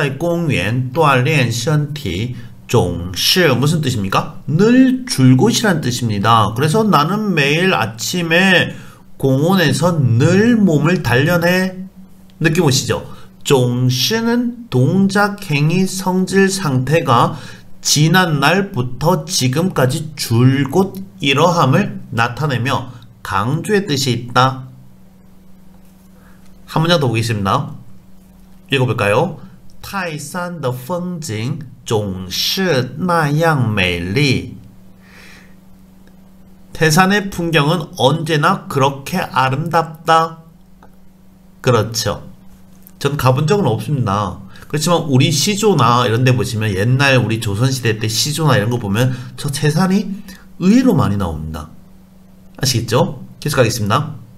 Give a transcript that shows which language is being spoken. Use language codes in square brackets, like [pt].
[zh] 我每天早上总是在公园锻炼身体. [ko] 종시 무슨 뜻입니까? 늘 줄곧이란 뜻입니다. 그래서 나는 매일 아침에 공원에서 늘 몸을 단련해. 느낌 오시죠? 종시는 동작 행위 성질 상태가 지난 날부터 지금까지 줄곧 이러함을 나타내며 강조의 뜻이 있다. 한 문장 더 보겠습니다. 읽어볼까요? [zh] 泰山的风景总是那样美丽. [ko] 태산의 풍경은 언제나 그렇게 아름답다. 그렇죠. 전 가본 적은 없습니다. 그렇지만 우리 시조나 이런 데 보시면 옛날 우리 조선시대 때 시조나 이런 거 보면 저 태산이 의외로 많이 나옵니다. 아시겠죠? 계속 가겠습니다.